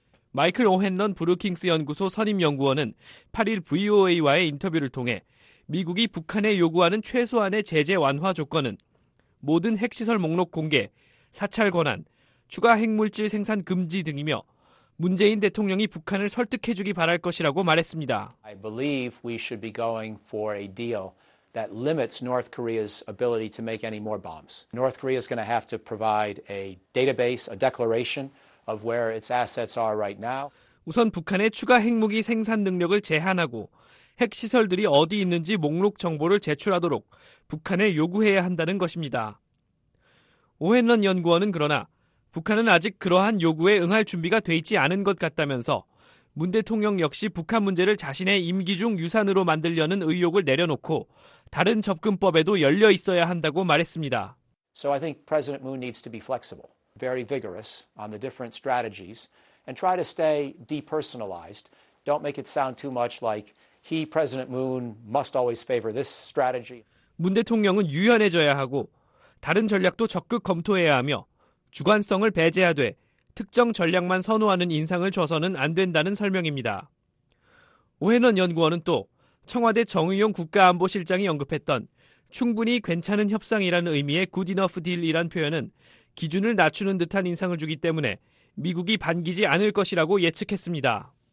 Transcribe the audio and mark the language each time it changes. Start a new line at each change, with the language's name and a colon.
Korean: 마이클 오헨런 브루킹스 연구소 선임연구원은 8일 VOA와의 인터뷰를 통해 미국이 북한에 요구하는 최소한의 제재 완화 조건은 모든 핵시설 목록 공개, 사찰 권한, 추가 핵물질 생산 금지 등이며 문재인 대통령이 북한을 설득해주기 바랄 것이라고 말했습니다.
English: I believe we should be going for a deal that limits North Korea's ability to make any more bombs. North Korea is going to have to provide a database, a declaration. Of where its assets are right now.
Korean: 우선 북한의 추가 핵무기 생산 능력을 제한하고 핵시설들이 어디 있는지 목록 정보를 제출하도록 북한에 요구해야 한다는 것입니다. 오헨런 연구원은 그러나 북한은 아직 그러한 요구에 응할 준비가 돼 있지 않은 것 같다면서 문 대통령 역시 북한 문제를 자신의 임기 중 유산으로 만들려는 의혹을 내려놓고 다른 접근법에도 열려 있어야 한다고 말했습니다.
English: So I think President Moon needs to be flexible. Very vigorous on the different strategies and try to stay depersonalized. Don't make it sound too much like he, President Moon, must always favor this strategy.
Korean: 문 대통령은 유연해져야 하고 다른 전략도 적극 검토해야 하며 주관성을 배제하되 특정 전략만 선호하는 인상을 줘서는 안 된다는 설명입니다. 오헨런 연구원은 또 청와대 정의용 국가안보실장이 언급했던 충분히 괜찮은 협상이라는 의미의 good enough deal이란 표현은 기준을 낮추는 듯한 인상을 주기 때문에 미국이 반기지 않을 것이라고 예측했습니다.